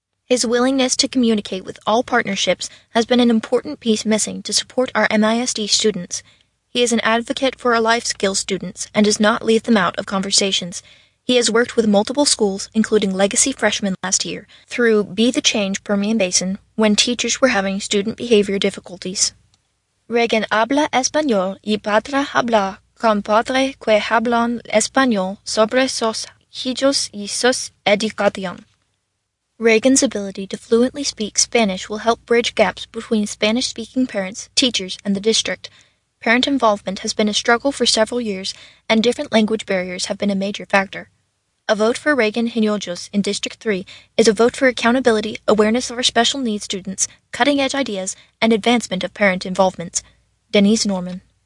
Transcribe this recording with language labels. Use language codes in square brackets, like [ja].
[en] His willingness to communicate with all partnerships has been an important piece missing to support our MISD students. He is an advocate for our life skills students and does not leave them out of conversations. He has worked with multiple schools, including Legacy Freshmen last year, through Be the Change Permian Basin when teachers were having student behavior difficulties. [es] Regan habla español y padre habla con padre que hablan español sobre sus hijos y sus educación. [en] Regan's ability to fluently speak Spanish will help bridge gaps between Spanish-speaking parents, teachers, and the district. Parent involvement has been a struggle for several years, and different language barriers have been a major factor. A vote for Regan Hinojos in District 3 is a vote for accountability, awareness of our special needs students, cutting-edge ideas, and advancement of parent involvement. Denise Norman.